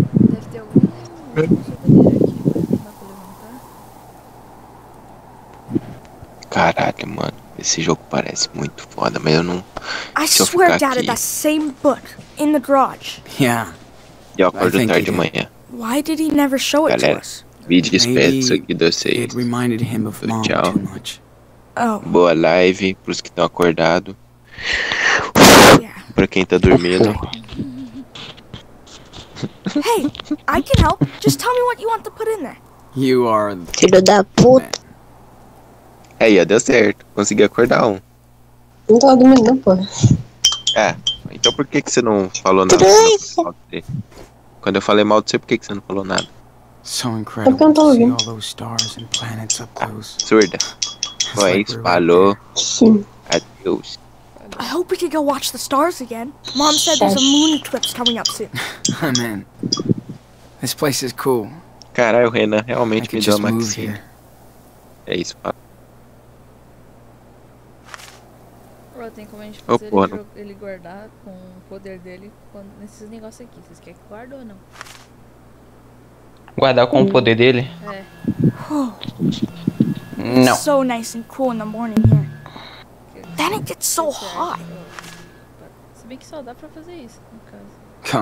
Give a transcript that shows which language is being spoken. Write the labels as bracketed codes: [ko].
[pt] Deve ter algum aqui pra levantar. Caralho, mano. Esse jogo parece muito foda, mas eu não. [en] I swear Dad, that same book in the garage. Yeah. [pt] Eu acordo tarde de manhã. [en] Why did he never show it [pt] galera, [en] to us? [pt] Vídeo esperto aqui de vocês. [en] It reminded him of mom too much. Oh. [pt] Boa live pros que estão acordados. Pra quem tá dormindo. [en] Hey, I can help. Just tell me what you want to put in there. You are [pt] the filho da puta. Aí, ó, deu certo. Consegui acordar um. Não tô dormindo, pô. É, então por que você não falou nada? Quando eu falei mal de você, por que você não falou nada? [en] So incredible to see all those stars and planets up close. [pt] Surda. Foi isso, falou. Sim. Adeus. [en] I hope we can go watch the stars again. Mom said there's a moon eclipse coming up soon. Oh, man. This place is cool. [pt] Caralho, Renan, realmente me deu uma aqui. É isso, falou. Tem como a gente fazer ele guardar com o poder dele quando, nesses negócios aqui. Vocês querem que guarde ou não? Guardar com o poder dele? É. Não. [en] It's so nice and cool in the morning here. Then it gets so hot. [pt] Se bem que só dá pra fazer isso, no caso.